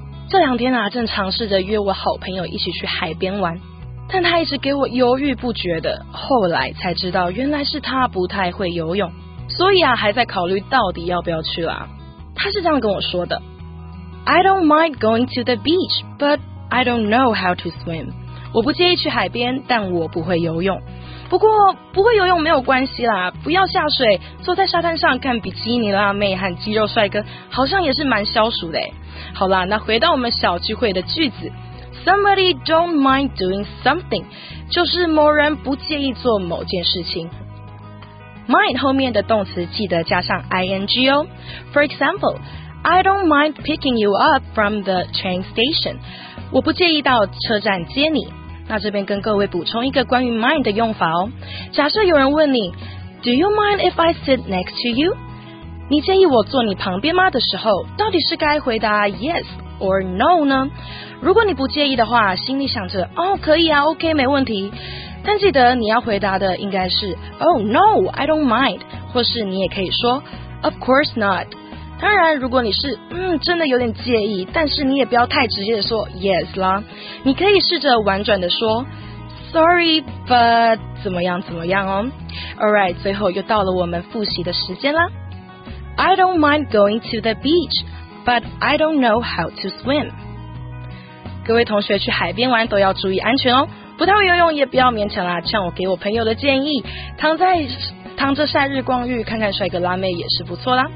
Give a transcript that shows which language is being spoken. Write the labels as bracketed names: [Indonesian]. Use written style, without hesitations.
[Chinese] 这两天啊，正尝试着约我好朋友一起去海边玩，但他一直给我犹豫不决的。后来才知道，原来是他不太会游泳，所以啊，还在考虑到底要不要去啦。他是这样跟我说的 [English] ：I don't mind going to the beach, but. I don't know how to swim. [Chinese] 我不介意去海边，但我不会游泳。不过不会游泳没有关系啦，不要下水，坐在沙滩上看比基尼辣妹和肌肉帅哥，好像也是蛮消暑的。好啦，那回到我们小聚会的句子 [English] ，Somebody don't mind doing something， [Chinese] 就是某人不介意做某件事情。 Mind 后面的动词记得加上 ing 哦。 [English] For example, I don't mind picking you up from the train station. [Chinese] 我不介意到车站接你。那这边跟各位补充一个关于 mind 的用法哦。假设有人问你 [English] ，Do you mind if I sit next to you？ [Chinese] 你介意我坐你旁边吗？的时候，到底是该回答 [English] yes or no [Chinese] 呢？如果你不介意的话，心里想着哦，可以啊 ，OK， 没问题。但记得你要回答的应该是 [English] Oh no, I don't mind， [Chinese] 或是你也可以说 [English] Of course not。 [Chinese] 当然，如果你是真的有点介意，但是你也不要太直接的说 yes 啦。你可以试着婉转的说 [English] sorry, but [Chinese] 怎么样怎么样哦。 [English] Alright, [Chinese] 最后又到了我们复习的时间啦。 [English] I don't mind going to the beach, but I don't know how to swim. [Chinese] 各位同学去海边玩都要注意安全哦，不太会游泳也不要勉强啦，像我给我朋友的建议，躺着晒日光浴，看看帅哥辣妹也是不错啦。